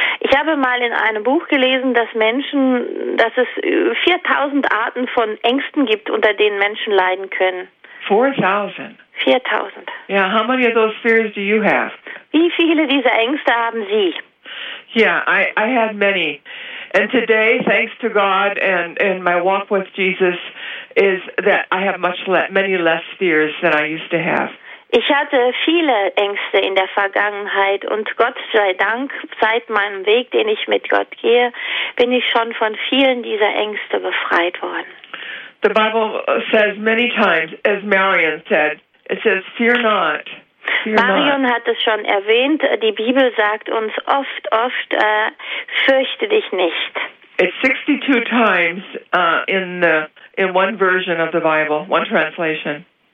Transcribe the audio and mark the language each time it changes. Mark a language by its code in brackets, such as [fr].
[de] Ich habe mal in einem Buch gelesen, dass es 4000 Arten von Ängsten gibt, unter denen Menschen leiden können. 4000. 4000. [en] Yeah, how many of those fears do you have? [de] Wie viele dieser Ängste haben Sie? [en] Yeah, I had many. And today, thanks to God and my walk with Jesus, is that I have many less fears than I used to have. [de] Ich hatte viele Ängste in der Vergangenheit, und Gott sei Dank, seit meinem Weg, den ich mit Gott gehe, bin ich schon von vielen dieser Ängste befreit worden. [en] The Bible says many times, as Marion said, it says, fear not. [de] Marion hat es schon erwähnt, die Bibel sagt uns oft, fürchte dich nicht. [en] It's 62 times in one version of the Bible, one translation.